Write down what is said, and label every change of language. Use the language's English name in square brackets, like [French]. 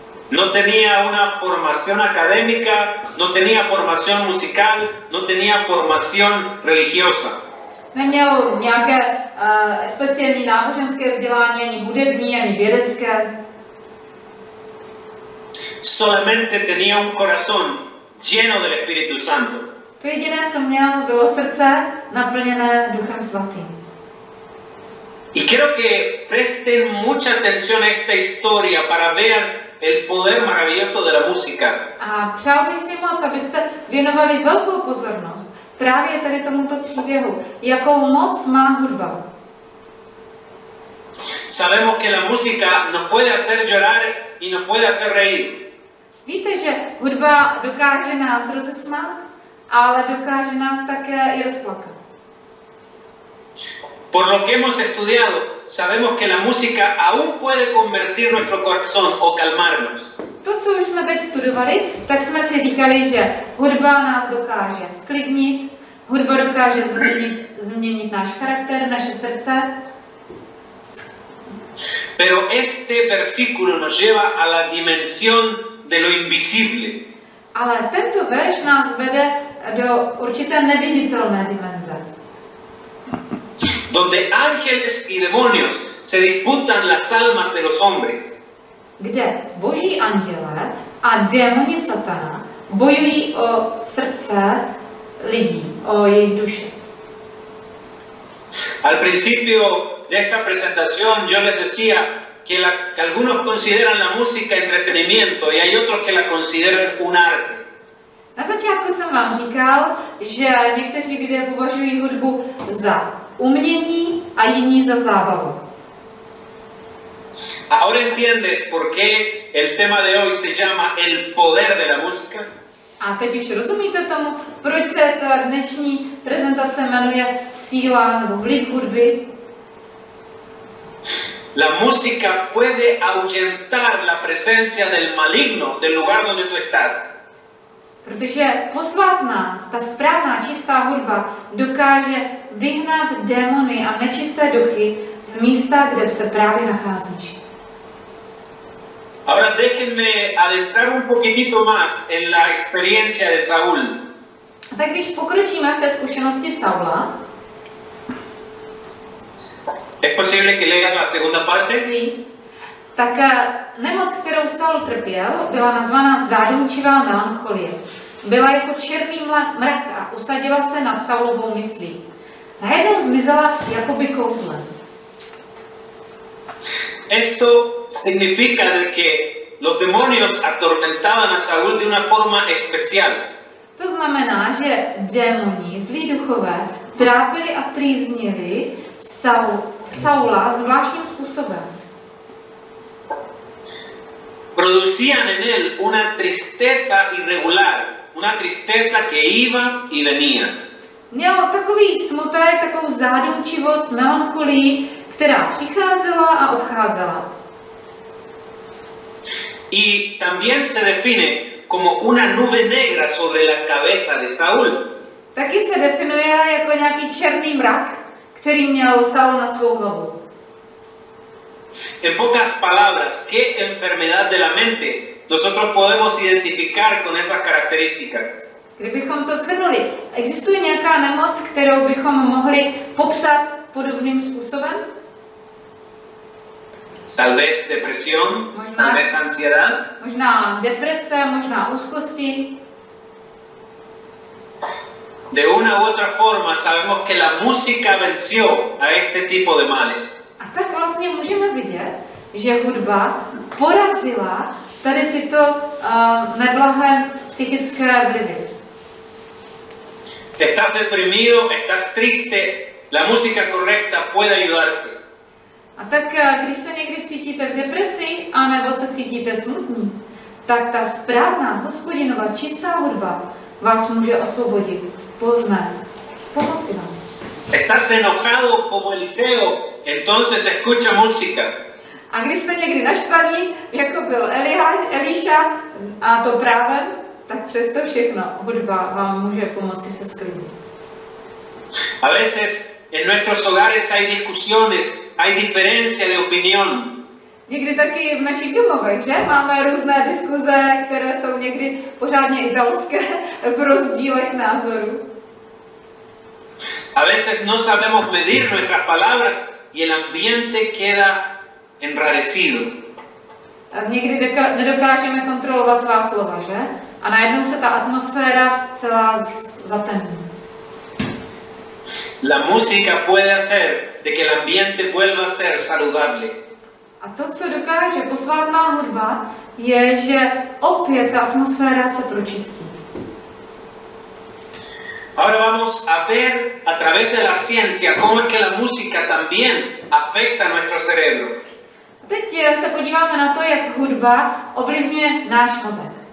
[Spanish] No tenía una formación académica, no tenía formación musical, no tenía formación religiosa. [Czech] Neměl nějaké speciální náboženské vzdělání, ani hudební, ani vědecké. [Spanish] Solamente tenía un corazón lleno del Espíritu Santo. [Czech] To jediné, co měl, bylo srdce naplněné Duchem Svatým. [Spanish] Y quiero que presten mucha atención a esta historia para ver el poder maravilloso de la música. [Czech] A přál bych si moc, abyste věnovali velkou pozornost právě tady tomuto příběhu, jakou moc má hudba. [Spanish] Sabemos que la música nos puede hacer llorar y nos puede hacer reír. [Czech] Víte, že hudba dokáže nás rozesmát, ale dokáže nás také i rozplakat. [Spanish] Por lo que hemos estudiado, sabemos que la música aún puede convertir nuestro corazón o calmarnos. [Czech] To, co už jsme teď studovali, tak jsme si říkali, že hudba nás dokáže sklidnit, hudba dokáže změnit náš charakter, naše srdce. [Spanish] Pero este versículo nos lleva a la dimensión de lo invisible. [Czech] Ale tento verš nás vede do určité neviditelné dimenze. [Spanish] Donde ángeles y demonios se disputan las almas de los hombres. [Czech] Kde boží anděle a démoni satana bojují o srdce lidí, o jejich duše. [Spanish] Al principio de esta presentación yo les decía que algunos consideran la música entretenimiento y hay otros que la consideran un arte. [Czech] Na začátku jsem vám říkal, že někteří lidé považují hudbu za umění a jiní za zábavu. [Spanish] Ahora entiendes por qué el tema de hoy se llama el poder de la música? [Czech] A teď už rozumíte tomu, proč se ta dnešní prezentace jmenuje síla nebo vliv hudby? [Spanish] La música puede ahuyentar la presencia del maligno del lugar donde tú estás. [Czech] Protože posvátná, ta správná, čistá hudba dokáže vyhnat démony a nečisté duchy z místa, kde se právě nacházíš. [Spanish] Ahora déjenme adentrar un poquitito más en la experiencia de Saúl. [Czech] Tak když pokročíme v té zkušenosti Saula. [Spanish] Es posible que lean la segunda parte? Sí. [Czech] Tak nemoc, kterou Saul trpěl, byla nazvána zářivá melancholie. Byla jako černý mrak a usadila se nad Saulovou myslí. Najednou zmizela jakoby kouzlem. [Spanish] Esto significa que los demonios atormentaban a Saúl de una forma especial. [Czech] To znamená, že démoni, zlí duchové, trápili a trýznili Saula zvláštním způsobem. [Spanish] Producían en él una tristeza irregular, una tristeza que iba y venía. [Czech] Mělo takový smutek, takovou zádumčivost, melancholii, která přicházela a odcházela. [Spanish] Y también se define como una nube negra sobre la cabeza de Saúl. [Czech] Taky se definuje jako nějaký černý mrak, který měl Saul nad svou hlavou. [Spanish] En pocas palabras, ¿qué enfermedad de la mente nosotros podemos identificar con esas características? [Czech] Kdybychom to zhrnuli, existuje nějaká nemoc, kterou bychom mohli popsat podobným způsobem? [Spanish] Tal vez depresión, [Czech] možná, [Spanish] tal vez ansiedad. [Czech] Možná deprese, možná úzkosti. [Spanish] De una u otra forma sabemos que la música venció a este tipo de males. [Czech] A tak vlastně můžeme vidět, že hudba porazila tady tyto neblahé psychické vlivy. [Spanish] Estás deprimido, estás triste, la música correcta puede ayudarte. [Czech] A tak když se někdy cítíte v depresi, anebo se cítíte smutní, tak ta správná hospodinová čistá hudba vás může osvobodit, poznést, pomoci vám. [Spanish] Estás enojado como Eliseo, entonces escucha música. [Czech] A když jste někdy naštvaný, jako byl Eliša, a to právem, tak přesto všechno hudba vám může pomoci se sklidnit. [Spanish] A veces en nuestros hogares hay discusiones, hay diferencia de opinión. [Czech] Někdy taky v našich domovech, že? Máme různé diskuze, které jsou někdy pořádně italské v rozdílech názorů. [Spanish] A veces no sabemos medir nuestras palabras y el ambiente queda enrarecido. [Czech] A někdy nedokážeme kontrolovat svá slova, že? A najednou se ta atmosféra celá zatemní. [Spanish] La música puede hacer de que el ambiente vuelva a ser saludable. [Czech] A to, co dokáže posvátná hudba, je, že opět ta atmosféra se pročistí. [Spanish] Ahora vamos a ver a través de la ciencia cómo es que la música también afecta a nuestro cerebro. [Czech] Teď se podíváme na to, jak hudba ovlivňuje náš mozek.